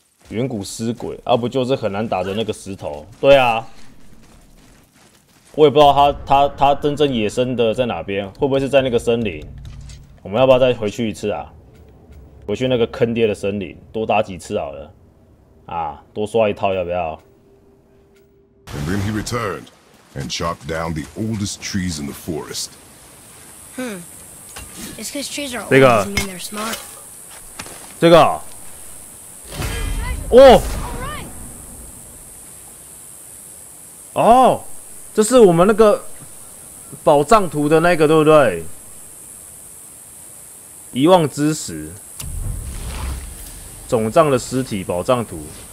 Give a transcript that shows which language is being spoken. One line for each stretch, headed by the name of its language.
Chinese: 远古尸鬼啊，不就是很难打的那个石头？对啊，我也不知道他真正野生的在哪边，会不会是在那个森林？我们要不要再回去一次啊？回去那个坑爹的森林，多打几次好了，啊，多刷一套要不要？
English: And then he returned and chopped down the oldest trees in the forest. It's because trees are old doesn't mean they're smart.
Chinese: 这个，哦，哦，这是我们那个宝藏图的那个，对不对？遗忘之石，肿胀的尸体，宝藏图。